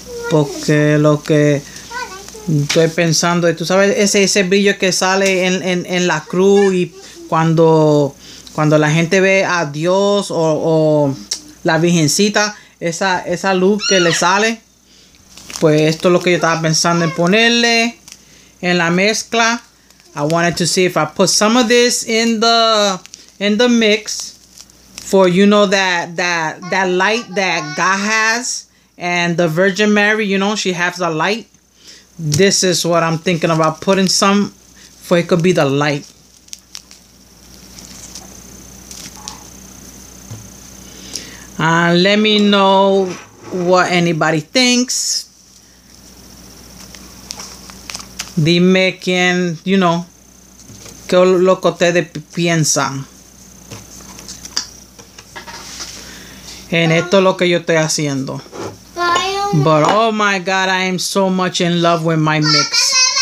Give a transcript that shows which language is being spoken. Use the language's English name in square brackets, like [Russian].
[Spanish] Porque lo que estoy pensando, tú sabes, ese brillo que sale en la cruz y cuando la gente ve a Dios o la virgencita, esa luz que le sale, pues esto es lo que yo estaba pensando en ponerle en la mezcla. [English] I wanted to see if I put some of this in the mix for, you know, that light that God has and the Virgin Mary, you know, she has a light. This is what I'm thinking about putting some for. It could be the light. Let me know what anybody thinks. [Spanish] Dime quién, [English] you know, [Spanish] qué lo que ustedes piensan. En esto es lo que yo estoy haciendo. [English] But oh my God, I am so much in love with my mix.